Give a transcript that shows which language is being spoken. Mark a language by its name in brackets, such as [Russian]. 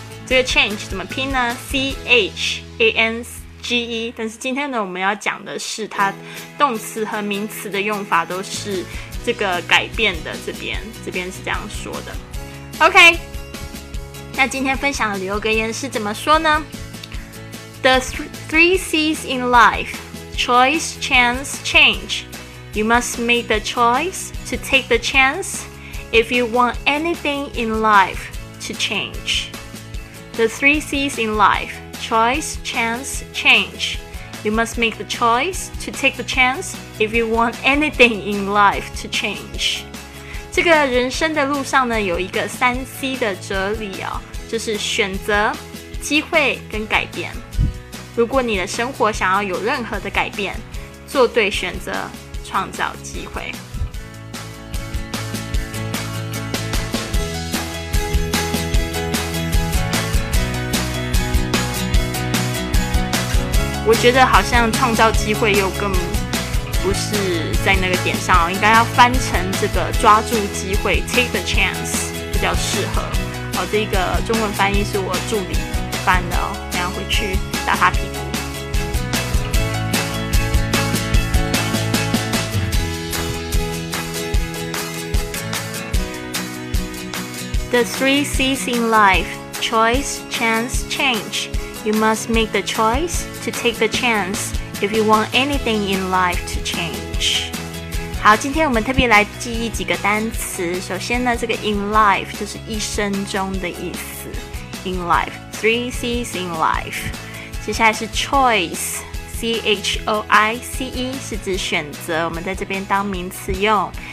[Chinese] 这个 change 怎么拼呢？C-H-A-N-G-E。但是今天呢我们要讲的是它动词和名词的用法都是这个改变的，这边是这样说的。 OK， 那今天分享的旅游格言是怎么说呢？ [English] The three C's in life, choice, chance, change. You must make the choice to take the chance if you want anything in life to change. The three C's in life, choice, chance, change. You must make the choice to take the chance if you want anything in life to change. [Chinese] 这个人生的路上呢，有一个三 C 的哲理哦，就是选择、机会跟改变。如果你的生活想要有任何的改变，做对选择，创造机会。我觉得好像创造机会又更不是在那个点上，应该要翻成这个抓住机会 [English] take the chance [Chinese] 比较适合。好，这个中文翻译是我助理翻的哦，等一下回去打他屁股。 [English] The three C's in life, choice, chance, change. You must make the choice to take the chance if you want anything in life to change. [Chinese] 好，今天我们特别来记忆几个单词。首先呢，这个 in life 就是一生中的意思。 [English] In life, three C's in life. [Chinese] 接下来是 choice, C-H-O-I-C-E 是指选择，我们在这边当名词用。